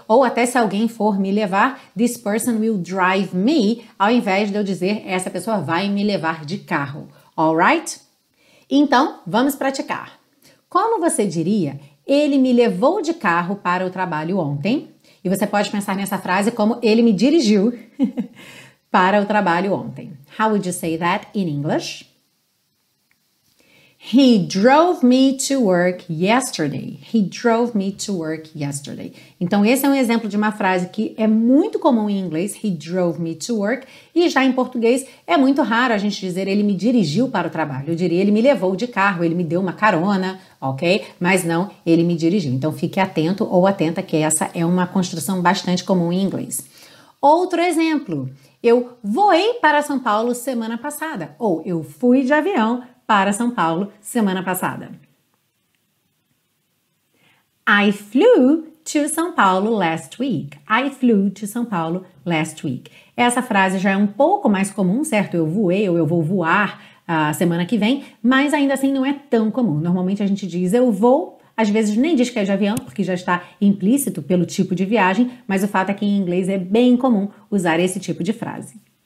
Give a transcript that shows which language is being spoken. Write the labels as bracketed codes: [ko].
[pt] Ou até se alguém for me levar, [en] this person will drive me, [pt] ao invés de eu dizer, essa pessoa vai me levar de carro. Alright? Então, vamos praticar. Como você diria, ele me levou de carro para o trabalho ontem? E você pode pensar nessa frase como, ele me dirigiu para o trabalho ontem. [en] How would you say that in English? He drove me to work yesterday. He drove me to work yesterday. [pt] Então, esse é um exemplo de uma frase que é muito comum em inglês. [en] He drove me to work. [pt] E já em português, é muito raro a gente dizer ele me dirigiu para o trabalho. Eu diria ele me levou de carro, ele me deu uma carona, ok? Mas não, ele me dirigiu. Então, fique atento ou atenta que essa é uma construção bastante comum em inglês. Outro exemplo. Eu voei para São Paulo semana passada. Ou eu fui de avião para São Paulo semana passada. [en] I flew to São Paulo last week. I flew to São Paulo last week. [pt] Essa frase já é um pouco mais comum, certo? Eu voei ou eu vou voar a semana que vem, mas ainda assim não é tão comum. Normalmente a gente diz eu vou, às vezes nem diz que é de avião, porque já está implícito pelo tipo de viagem, mas o fato é que em inglês é bem comum usar esse tipo de frase.